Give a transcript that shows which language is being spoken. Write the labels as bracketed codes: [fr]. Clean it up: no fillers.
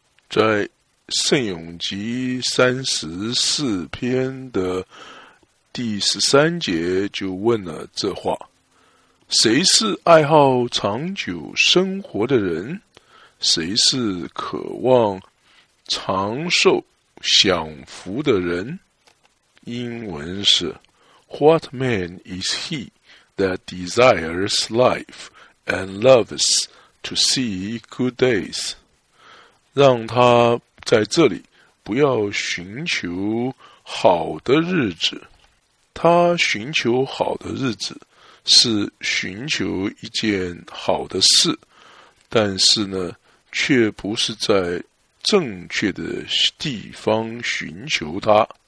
[zh] 在圣咏集34篇的第13节就问了这话：谁是爱好长久生活的人？谁是渴望长寿享福的人？英文是 [en] What man is he that desires life and loves to see good days? [zh] 让他在这里不要寻求好的日子。他寻求好的日子是寻求一件好的事，但是呢，却不是在正确的地方寻求它。